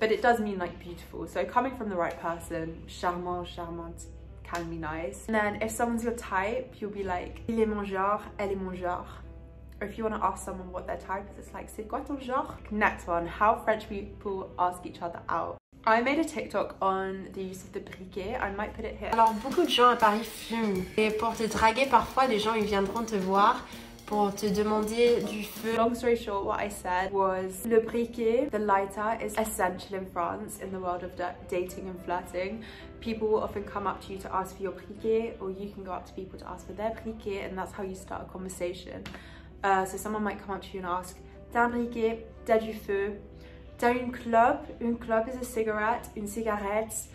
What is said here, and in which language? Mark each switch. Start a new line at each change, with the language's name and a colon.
English: But it does mean like beautiful. So coming from the right person, charmant, charmante can be nice. And then if someone's your type, you'll be like,
French: il est mon genre, elle est mon genre.
English: Or if you want to ask someone what their type is, it's like,
French: c'est quoi ton genre?
English: Next one, how French people ask each other out. I made a TikTok on the use of the briquet. I might put it here.
French: Alors, beaucoup de gens à Paris fument. Et pour te draguer, parfois, des gens, ils viendront te voir pour te demander du feu.
English: Long story short, what I said was, le briquet, the lighter, is essential in France, in the world of dating and flirting. People will often come up to you to ask for your briquet, or you can go up to people to ask for their briquet, and that's how you start a conversation. So someone might come up to you and ask,
French: t'as un briquet, t'as du feu, t'as une clope
English: is a cigarette,
French: une cigarette.